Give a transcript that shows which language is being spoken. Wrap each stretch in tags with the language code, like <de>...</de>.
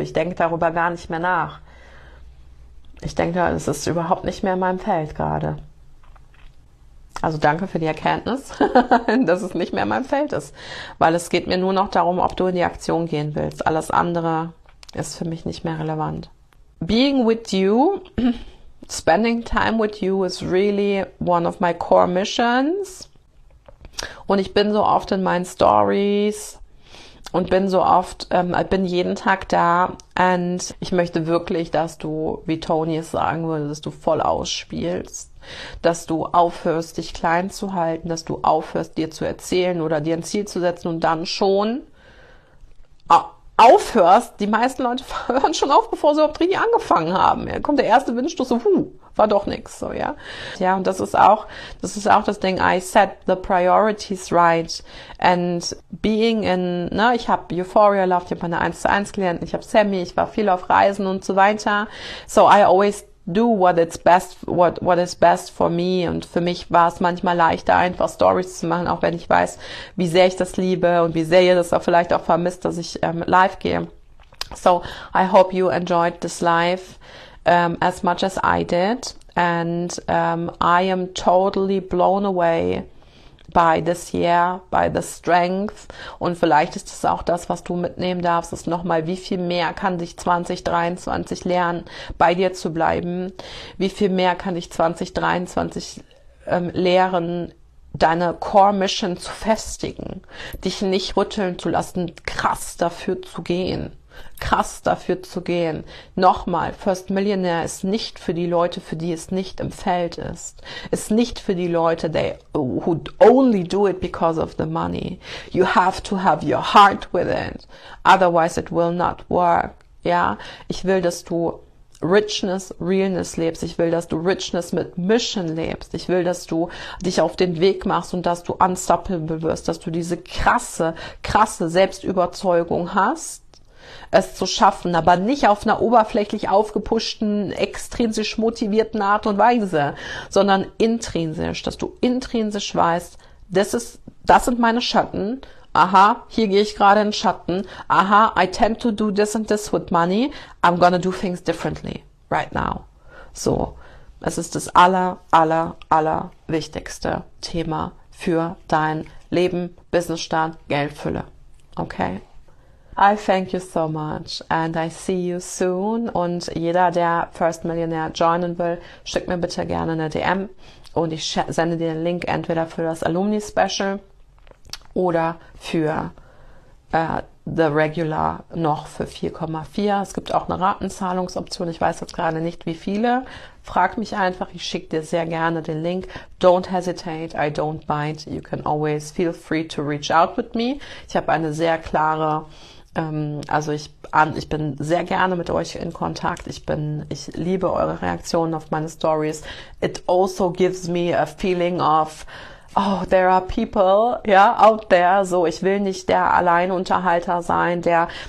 <de>Ich denke darüber gar nicht mehr nach. Ich denke, es ist überhaupt nicht mehr in meinem Feld gerade. Also danke für die Erkenntnis, dass es nicht mehr mein Feld ist, weil es geht mir nur noch darum, ob du in die Aktion gehen willst. Alles andere ist für mich nicht mehr relevant.</de> <en>Being with you, spending time with you is really one of my core missions.</en> <de>Und ich bin so oft in meinen Stories und bin so oft, bin jeden Tag da. Und ich möchte wirklich, dass du, wie Tony es sagen würde, dass du voll ausspielst, dass du aufhörst, dich klein zu halten, dass du aufhörst, dir zu erzählen oder dir ein Ziel zu setzen und dann schon aufhörst. Die meisten Leute hören schon auf, bevor sie überhaupt richtig angefangen haben. Ja, kommt der erste Windstoß, so, puh, war doch nichts, so, ja. Ja, und das ist auch das Ding,</de> <en>I set the priorities right and being in,</en> <de>ne, ich habe Euphoria Love, ich habe meine 1-zu-1-Klienten, ich habe Sammy, ich war viel auf Reisen und so weiter.</de> <en>So I always do what is best for me.</en> <de>Und für mich war es manchmal leichter, einfach Stories zu machen, auch wenn ich weiß, wie sehr ich das liebe und wie sehr ihr das auch vielleicht auch vermisst, dass ich live gehe.</de> <en>So, I hope you enjoyed this live as much as I did. And I am totally blown away by this year, by the strength.</en> <de>Und vielleicht ist es auch das, was du mitnehmen darfst, ist nochmal, wie viel mehr kann dich 2023 lernen, bei dir zu bleiben? Wie viel mehr kann dich 2023 lehren, deine Core Mission zu festigen, dich nicht rütteln zu lassen, krass dafür zu gehen? Krass dafür zu gehen. Nochmal, First Millionaire ist nicht für die Leute, für die es nicht im Feld ist. Ist nicht für die Leute,</de> <en>who only do it because of the money. You have to have your heart with it. Otherwise it will not work.</en> <de>Ja, ich will, dass du Richness, Realness lebst. Ich will, dass du Richness mit Mission lebst. Ich will, dass du dich auf den Weg machst und dass du unstoppable wirst, dass du diese krasse, krasse Selbstüberzeugung hast, es zu schaffen, aber nicht auf einer oberflächlich aufgepuschten, extrinsisch motivierten Art und Weise, sondern intrinsisch, dass du intrinsisch weißt, das sind meine Schatten. Aha, hier gehe ich gerade in Schatten.</de> <en>Aha, I tend to do this and this with money. I'm gonna do things differently right now.</en> <de>So, es ist das aller wichtigste Thema für dein Leben, Businessstand, Geldfülle. Okay?</de> <en>I thank you so much and I see you soon.</en> <de>Und jeder, der First Millionaire joinen will, schickt mir bitte gerne eine DM und ich sende dir den Link entweder für das Alumni Special oder für</de> <en>the regular</en> <de>noch für 4,4. Es gibt auch eine Ratenzahlungsoption. Ich weiß jetzt gerade nicht, wie viele. Frag mich einfach. Ich schicke dir sehr gerne den Link.</de> <en>Don't hesitate. I don't bite. You can always feel free to reach out with me.</en> <de>Ich habe eine sehr klare Also ich bin sehr gerne mit euch in Kontakt. Ich liebe eure Reaktionen auf meine Stories.</de> <en>It also gives me a feeling of, oh, there are people, yeah, out there.</en> <de>So, ich will nicht der Alleinunterhalter sein, der</de>